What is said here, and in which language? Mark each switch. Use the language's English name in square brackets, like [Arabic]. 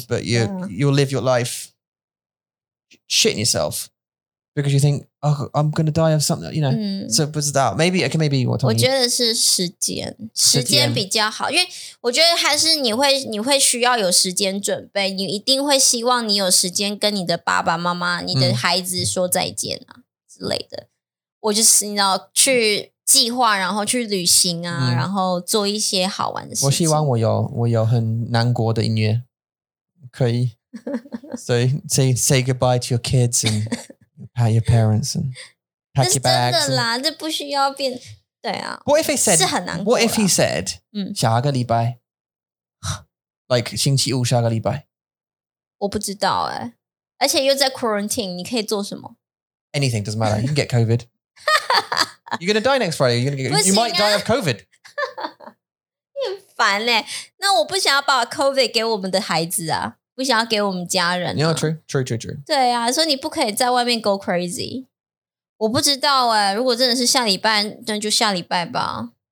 [English] But you, you'll live your life shitting yourself because you think, oh, I'm going to die of something, you know. So, [Chinese] 不知道. [English] Maybe, okay, maybe you're talking. I think it's time. Time is better. Because I think you still need to have time to prepare. You definitely hope you have time to say goodbye to your parents, your children, your parents, your children, your children. [Chinese] 我就是你知道去计划，然后去旅行啊，然后做一些好玩的事情。我希望我有很难过的音乐，可以。所以 [English] say goodbye to your kids and pat your parents and pack your bags. [Chinese] 真的啦，这不需要变。对啊。 [English] What if he said [Chinese] 是很难过。 [English] What if he said [Chinese] 下个礼拜 [English] ，like [Chinese] 星期五下个礼拜？我不知道哎，而且又在 quarantine， 你可以做什么 [English] ？Anything doesn't matter. You can get COVID. You're gonna die next Friday. You're gonna get, you might die of COVID. [Chinese] 你很烦欸，那我不想要把 COVID 给我们的孩子啊，不想要给我们家人啊。 [English] Yeah, true. [Chinese] 对啊，所以你不可以在外面 [English] go crazy. [Chinese] 我不知道欸，如果真的是下礼拜，那就下礼拜吧。